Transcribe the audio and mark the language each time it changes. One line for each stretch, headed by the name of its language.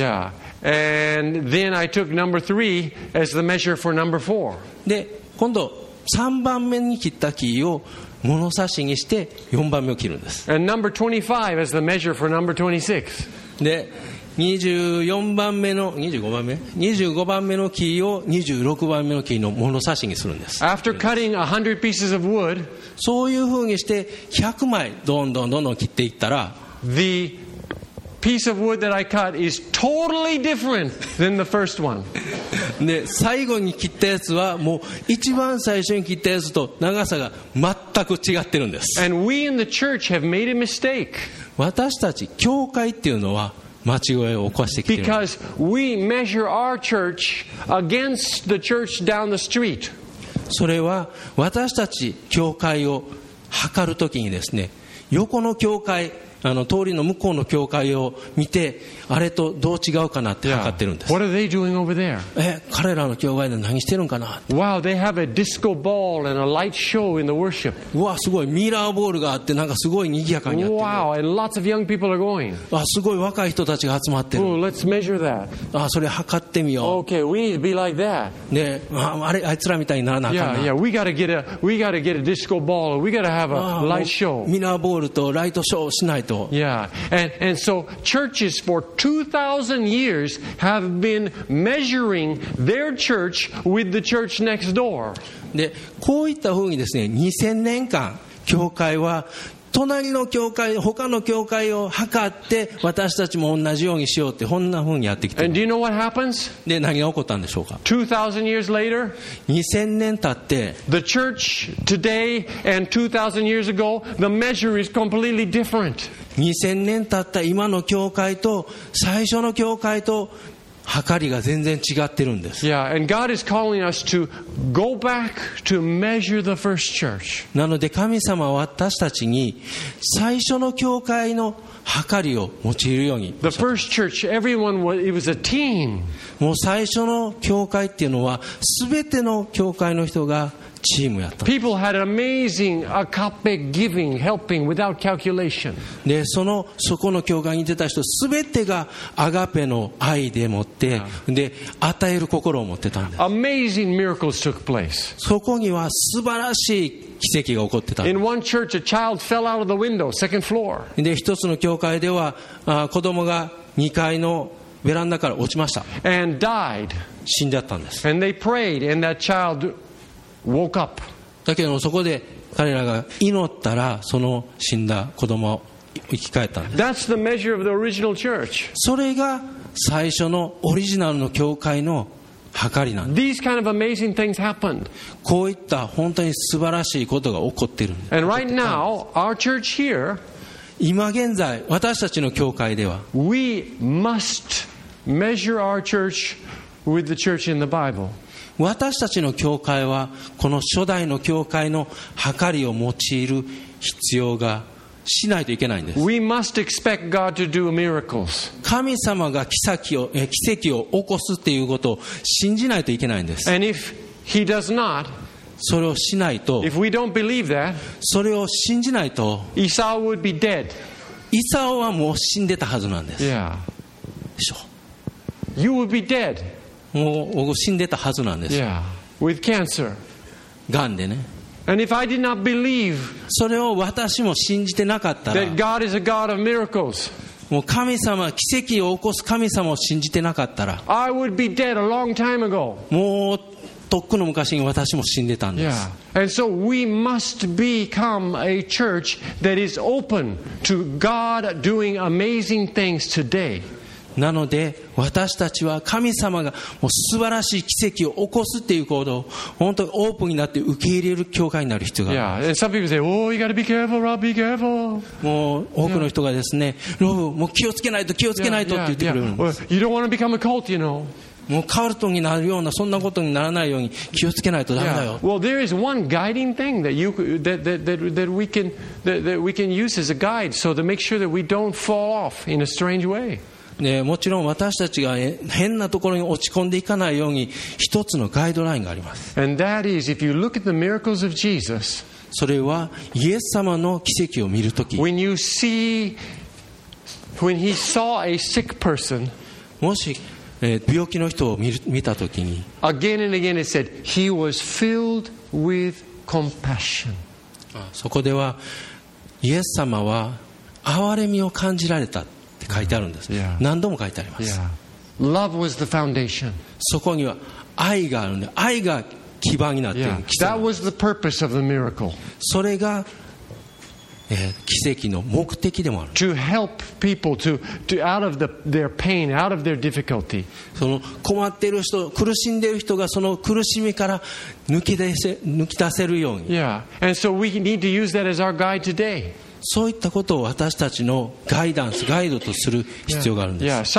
English: Yeah. And then I took number 3 as the measure for number 4.
Japanese: で、今度3番目に切った木を物差しにして4番目を切るんです。
English: And number 25 as the measure for number 26.
Japanese: で、25番目の木を26番目の木の物差しにするんです。
English: After cutting 100 pieces of wood,
Japanese: そういうふうにして100枚どんどんどんどん切っていったら、
English: the piece of wood that I cut is totally different than the first one.
Japanese: で、最後に切ったやつはもう一番最初に切ったやつと長さが全く違ってるんです。
English: And we in the church have made a mistake.
Japanese: 私たち教会っていうのは間違いを起こしてきている。
English: Because we measure our church against the church down the street.
Japanese: それは私たち教会を測るときにですね、横の教会、あの通りの向こうの教会を見て、あれとどう違うかなって測ってるんです。
English: What are they doing over there?
Japanese: 彼らの教会で何してるんかな。
English: Wow, they have a disco ball and a light show in the worship.
Japanese: うわ、すごい、ミラーボールがあってなんかすごい賑やかにやってる。
English: Wow, and lots of young people are going.
Japanese: あ、すごい若い人たちが集まってる。
English: Oh, let's measure that.
Japanese: あ、それ測ってみよう。
English: Okay, we need to be like that.
Japanese: ね、あれあいつらみたいにならなあかんな。
English: Yeah, we gotta get a disco ball. We gotta have a light show.
Japanese: ミラーボールとライトショーしないと。
English: Yeah, and so churches for 2,000 years have been measuring their church with the church next door.
Japanese: で、こういったふうにですね、2000年間教会は隣の教会、他の教会を測って私たちも同じようにしようってこんなふうにやってきて。
English: And do you know what happens?
Japanese: で、何が起こったんでしょうか。
English: 2,000 years later,
Japanese: 2000年経って、
English: the church today and 2,000 years ago, the measure is completely different.
Japanese: 2000年経った今の教会と最初の教会と測りが全然違ってるんです。
English: Yeah, and God is calling us to go back to measure the first church.
Japanese: なので神様は私たちに最初の教会の測りを用いるように。
English: The first church, everyone was, it was a team.
Japanese: もう最初の教会っていうのは全ての教会の人がチームやった。
English: People had an amazing agape giving, helping without calculation.
Japanese: で、そこの教会に出た人すべてがアガペの愛でもって、
English: yeah.
Japanese: で、与える心を持ってたんです。
English: Amazing miracles took place.
Japanese: そこには素晴らしい奇跡が起こってた。
English: In one church, a child fell out of the window, second floor.
Japanese: で、一つの教会では子供が2階のベランダから落ちました。
English: And died.
Japanese: 死んじゃったんです。
English: And they prayed, and that child woke up.
Japanese: だけどそこで彼らが祈ったらその死んだ子供を生き返ったんです。
English: That's the measure of the original church.
Japanese: それが最初のオリジナルの教会の計りなんです。
English: These kind of amazing things happened.
Japanese: こういった本当に素晴らしいことが起こっているんです。
English: And right now, our church here,
Japanese: 今現在私たちの教会では、
English: we must measure our church with the church in the Bible.
Japanese: 私たちの教会はこの初代の教会の計りを用いる必要がしないといけないんです。
English: We must expect God to do miracles.
Japanese: 神様が奇跡を起こすっていうことを信じないといけないんです。
English: And if he does not,
Japanese: それをしないと、
English: if we don't believe that,
Japanese: それを信じないと、
English: Esau would be dead.
Japanese: イサオはもう死んでたはずなんです。
English: Yeah.
Japanese: でしょ。
English: You would be dead.
Japanese: もう死んでたはずなんです。
English: Yeah, with cancer.
Japanese: がんでね。
English: And if I did not believe,
Japanese: それを私も信じてなかったら、
English: that God is a God of miracles.
Japanese: もう神様、奇跡を起こす神様を信じてなかったら、
English: I would be dead a long time ago.
Japanese: もうとっくの昔に私も死んでたんです。
English: Yeah. And so we must become a church that is open to God doing amazing things today.
Japanese: なので私たちは神様がもう素晴らしい奇跡を起こすっていうことを本当にオープンになって受け入れる教会になる必要がある。
English: Yeah, and some people say, "Oh, you gotta be careful, Rob. Be careful."
Japanese: もう多くの人がですね、ロブ、もう気をつけないと、気をつけないとって言ってくれるんです。
English: Well, you don't want to become a cult, you know.
Japanese: もうカルトになるようなそんなことにならないように気をつけないとダメだよ。
English: Well, there is one guiding thing that we can use as a guide, so to make sure that we don't fall off in a strange way.
Japanese: もちろん私たちが変なところに落ち込んでいかないように一つのガイドラインがあります。
English: And that is, if you look at the miracles of Jesus,
Japanese: それはイエス様の奇跡を見るとき、
English: when you see, when he saw a sick person,
Japanese: もし病気の人を 見たときに
English: again and again it said, he was filled with compassion.
Japanese: そこではイエス様は憐れみを感じられたって書いてあるんです、
English: yeah.
Japanese: 何度も書いてあります、
English: yeah. Love was the foundation.
Japanese: そこには愛があるんで、愛が基盤になっている、
English: yeah. That was the purpose of the miracle.
Japanese: それが、奇跡の目的でもある。
English: To help people to out of their pain, out of their difficulty.
Japanese: その困っている人、苦しんでいる人がその苦しみから抜き出せるように。
English: Yeah. And so we need to use that as our guide today.
Japanese: そういったことを私たちのガイダンス、ガイドとする必要があるんです。